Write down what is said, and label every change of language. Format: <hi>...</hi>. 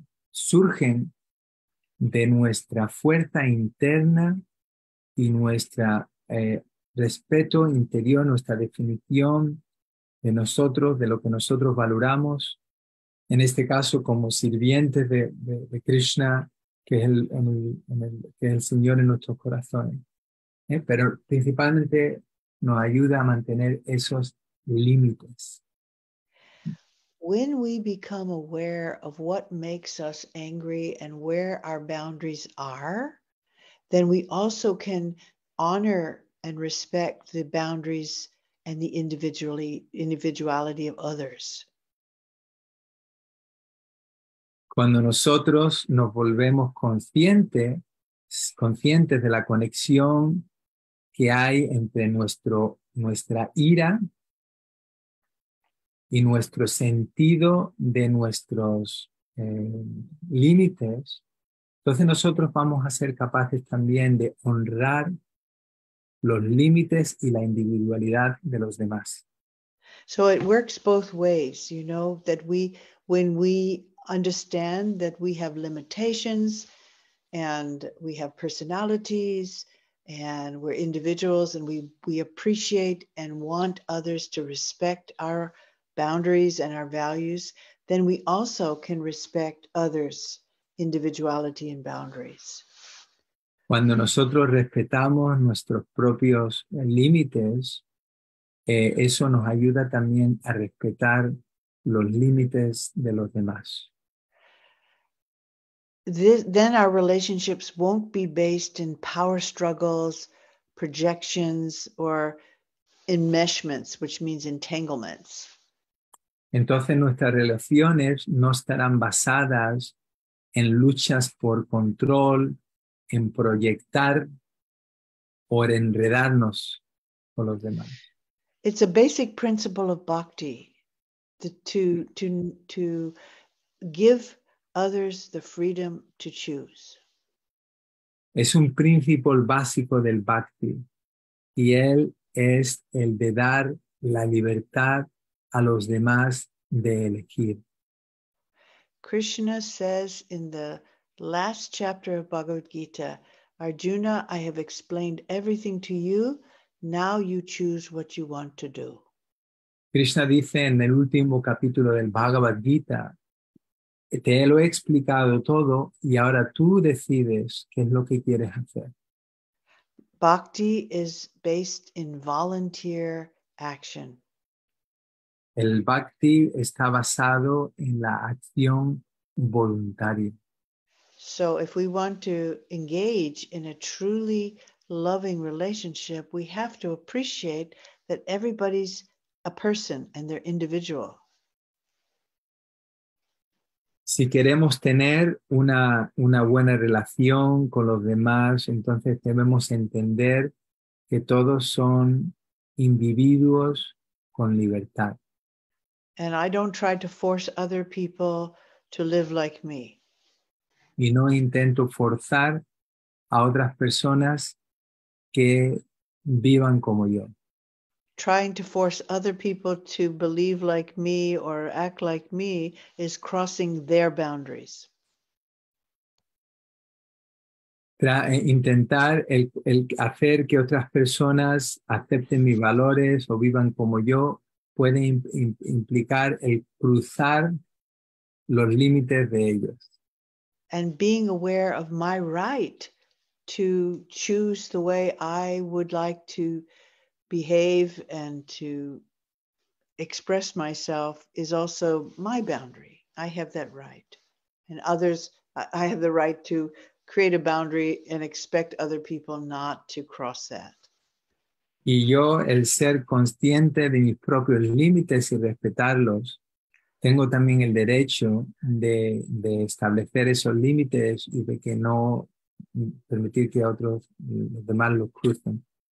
<es>surgen de nuestra fuerza interna y nuestro respeto interior, nuestra definición de nosotros, de lo que nosotros valoramos, en este caso como sirvientes de Krishna, que es el Señor en nuestros corazones. Pero principalmente nos ayuda a mantener esos límites.</es> <en>When we become aware of what makes us angry and where our boundaries are, then we also can honor and respect the boundaries and the individuality of others.</en> <es>Cuando nosotros nos volvemos conscientes de la conexión que hay entre nuestra ira y nuestro sentido de nuestros límites, entonces nosotros vamos a ser capaces también de honrar los límites y la individualidad de los demás.</es> <en>So it works both ways, you know, that we, when we understand that we have limitations and we have personalities and we're individuals and we appreciate and want others to respect our boundaries and our values, then we also can respect others' individuality and boundaries.</en> <es>Cuando nosotros respetamos nuestros propios límites, eso nos ayuda también a respetar los límites de los demás.</es> <en>Then our relationships won't be based in power struggles, projections, or enmeshments, which means entanglements.</en> <es>Entonces nuestras relaciones no estarán basadas en luchas por control, en proyectar o en enredarnos con los demás.</es> <en>It's a basic principle of bhakti to give others the freedom to choose.</en> <es>Es un principio básico del bhakti y él es el de dar la libertad a los demás de elegir.</es> <en>Krishna says in the last chapter of Bhagavad Gita, Arjuna, I have explained everything to you. Now you choose what you want to do.</en> <es>Krishna dice en el último capítulo del Bhagavad Gita, te lo he explicado todo y ahora tú decides qué es lo que quieres hacer.</es> <en>Bhakti is based in volunteer action.</en> <es>El bhakti está basado en la acción voluntaria.</es> <en>So if we want to engage in a truly loving relationship, we have to appreciate that everybody's a person and they're individual.</en> <es>Si queremos tener una buena relación con los demás, entonces debemos entender que todos son individuos con libertad.</es> <en>And I don't try to force other people to live like me.</en> <es>Y no intento forzar a otras personas que vivan como yo.</es> <en>Trying to force other people to believe like me or act like me is crossing their boundaries.</en> <es>Intentar el hacer que otras personas acepten mis valores o vivan como yo puede implicar el cruzar los límites de ellos.</es> <en>And being aware of my right to choose the way I would like to behave and to express myself is also my boundary. I have that right. And others, I have the right to create a boundary and expect other people not to cross that.</en> <es>Y yo, el ser consciente de mis propios límites y respetarlos, tengo también el derecho de establecer esos límites y de que no permitir que otros demás los crucen.</es>